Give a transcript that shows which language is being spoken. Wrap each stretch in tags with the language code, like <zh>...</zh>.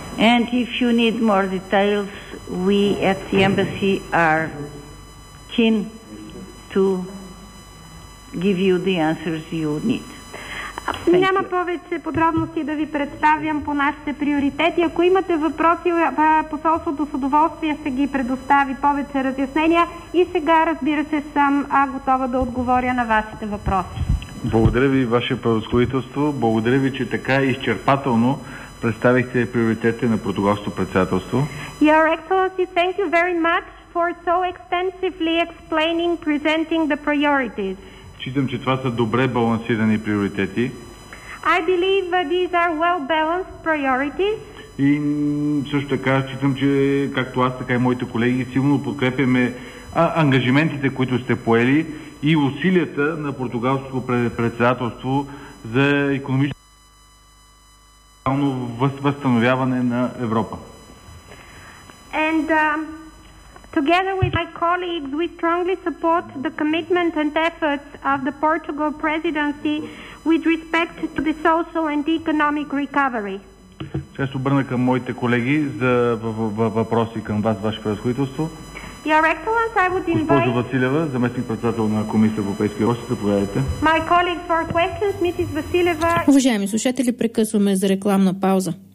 <en>And if you need more details, we at the embassy are keen to give you the answers you need.</en> <bg>Няма повече подробности да ви представям по нашите приоритети. Ако имате въпроси, посолството с удоволствие ще ги предостави повече разяснения. И сега, разбира се, съм готова да отговоря на вашите въпроси. Благодаря ви, ваше превъзходителство. Благодаря ви, че така изчерпателно представихте приоритетите на португалското председателство.</bg> <en>Your Excellency, thank you very much for so extensively explaining, presenting the priorities.</en> <bg>Считам, че това са добре балансирани приоритети.</bg> <en>I believe that these are well balanced priorities.</en> <bg>И също така считам, че както аз, така и моите колеги силно подкрепяме ангажиментите, които сте поели, и усилията на португалското председателство за икономическо възстановяване на Европа.</bg> <en>And together with my colleagues, we strongly support the commitment and efforts of the Portugal presidency with respect to the social and economic recovery.</en> <bg>Сега се обърна към моите колеги за въпроси към вас, ваше превъзходителство.</bg> <en>Your Excellency, I would invite...</en> <bg>Госпожо Василева, заместник-председател на Комисията по европейски въпроси, заповядайте.</bg> <en>My colleague for questions, Mrs. Василева...</en> <bg>Уважаеми слушатели, прекъсваме за рекламна пауза.</bg>